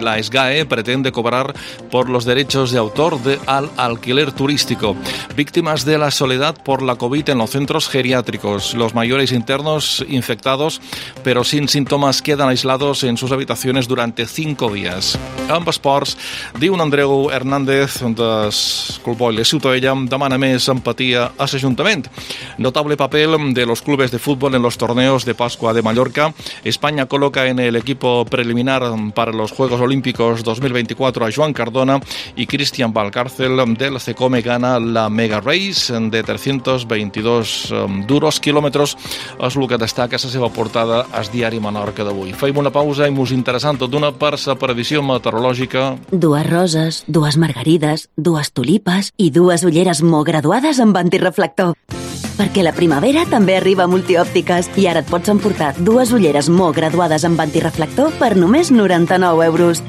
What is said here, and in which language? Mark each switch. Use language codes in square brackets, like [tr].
[es] La SGAE pretende cobrar por los derechos de autor al alquiler turístico. Víctimas de la soledad por la COVID en los centros geriátricos. Los mayores internos infectados, pero sin síntomas, quedan aislados en sus habitaciones durante 5 días. [ca] Amb esports, diu Andreu Hernández, del Club Boile Ciutadella, demana més empatia a l'Ajuntament. [es] Notable papel de los clubes de fútbol en los torneos de Pascua de Mallorca. España coloca en el equipo preliminar para los Juegos Olímpicos 2024 a Joan Cardona y Cristian Valcárcel del CECOME gana la Mega Race de 322 duros kilómetros. [ca] És el que destaca la seva portada al diari Menorca d'avui. Fem una pausa i mos interessant tot d'una per la previsió meteorològica. Dues roses, dues margarides, dues tulipes i dues ulleres molt graduades amb antireflector. Perquè la primavera també arriba a Multiòptiques i ara et pots emportar dues ulleres molt graduades amb antireflector per només 99 euros.